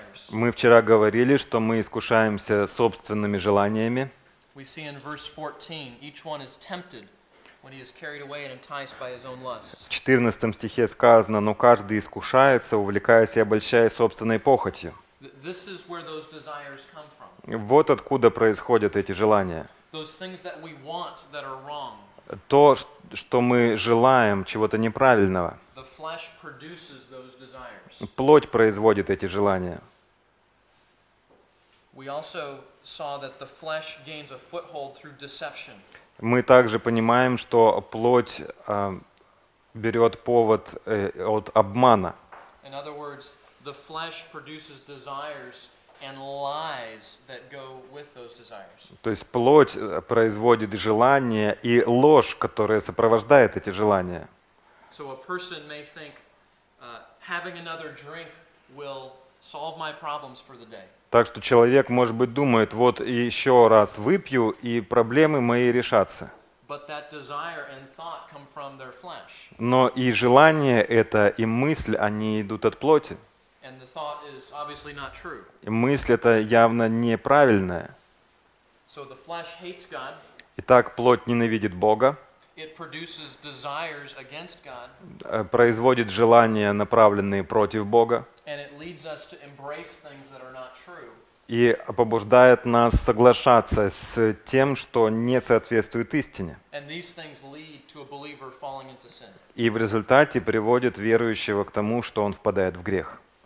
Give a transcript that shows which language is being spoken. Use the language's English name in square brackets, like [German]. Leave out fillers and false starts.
[Russian] Мы вчера говорили, что мы искушаемся собственными желаниями. [English] We see in verse 14, each one is tempted when he is carried away and enticed by his own lust. [Russian] В 14 стихе сказано, но каждый искушается, увлекаясь и обольщаясь собственной похотью. [English] This is where those desires come from. [Russian] Вот откуда происходят эти желания. [English] Those things that we want that are wrong. [Russian] То, что мы желаем чего-то неправильного. [English] The flesh produces those desires. [Russian] Плоть производит эти желания. [English] We also saw that the flesh gains a foothold through deception. [Russian] Мы также понимаем, что плоть берет повод от обмана. [English] In other words, the flesh produces desires and lies that go with those desires. [Russian] То есть плоть производит желания и ложь, которая сопровождает эти желания. [English] So a person may think having another drink will solve my problems for the day. [Russian] Так что человек, может быть, думает, вот еще раз выпью, и проблемы мои решатся. [English] But that desire and thought come from their flesh. [Russian] Но и желание это, и мысль, они идут от плоти. [English] And the thought is obviously not true. [Russian] И мысль это явно неправильная. [English] So the flesh hates God. [Russian] Итак, плоть ненавидит Бога. [English] It produces desires against God. [Russian] Производит желания, направленные против Бога. [English] And it leads us to embrace things that are not true. [Russian] И побуждает нас соглашаться с тем, что не соответствует истине. [English] And these things lead to a believer falling into sin. [Russian] И в результате приводит верующего к тому, что он впадает в грех.